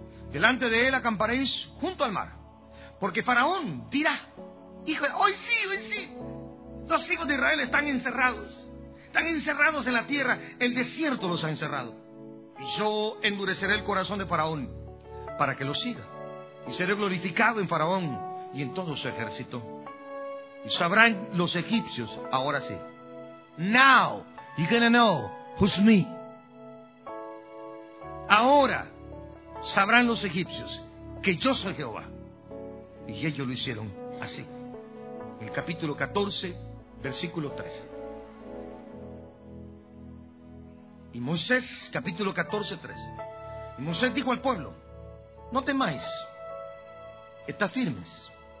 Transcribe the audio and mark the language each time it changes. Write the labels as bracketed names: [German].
[Spanish] Delante de él acamparéis junto al mar, porque Faraón dirá, híjole, hoy sí, los hijos de Israel están encerrados en la tierra, el desierto los ha encerrado. Y yo endureceré el corazón de Faraón para que lo siga, y seré glorificado en Faraón y en todo su ejército. Y sabrán los egipcios, ahora sí. [English] Now, you're gonna know who's me. [Spanish] Ahora, sabrán los egipcios que yo soy Jehová. Y ellos lo hicieron así. En el capítulo 14, versículo 13. Y Moisés, capítulo 14, 13. Y Moisés dijo al pueblo, no temáis, está firmes.